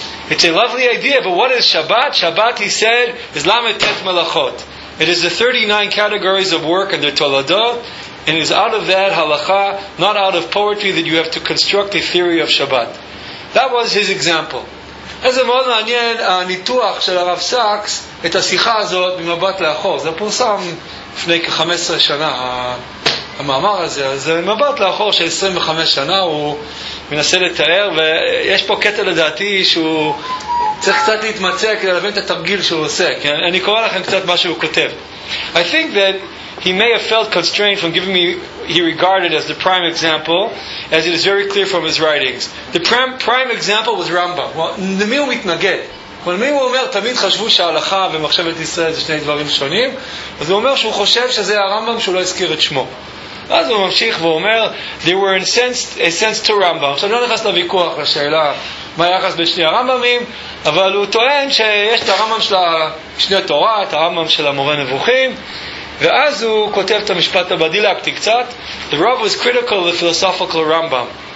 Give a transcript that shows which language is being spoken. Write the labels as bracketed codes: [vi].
[en] It's a lovely idea, but what is Shabbat? Shabbat, he said, is Lamed Tet Melachot. It is the 39 categories of work under Toladot, and it is out of that halakha, not out of poetry, that you have to construct a theory of Shabbat. That was his example. [he] אז זה מאוד מעניין, הניתוח של הרב סאקס, את השיחה הזאת ממבט לאחור. זה פורסם לפני כ-15 שנה, המאמר הזה. אז מבט לאחור של 25 שנה, הוא מנסה לתאר, ויש פה קטע לדעתי שהוא צריך קצת להתמצא כדי להבין את התרגיל שהוא עושה. אני קורא לכם קצת מה שהוא כותב. [en] I think that he may have felt constrained from giving me he regarded as the prime example, as it is very clear from his writings. The prime example was Rambam. [he] למי הוא מתנגד? למי הוא אומר, תמיד חשבו שההלכה ומחשבת ישראל זה שני דברים שונים, אז הוא אומר שהוא חושב שזה הרמב״ם שהוא לא הזכיר את שמו. [en] אז הוא ממשיך ואומר, they were incensed, a sense to Rambam. [he] עכשיו לא נכנס לוויכוח לשאלה מה היחס בין שני הרמב״מים, אבל הוא טוען שיש את הרמב״ם של שני תורה, את הרמב״ם של המורה נבוכים, ואז הוא כותב את המשפט הבא, דילקתי קצת, the Rav was critical of the philosophical Rambam.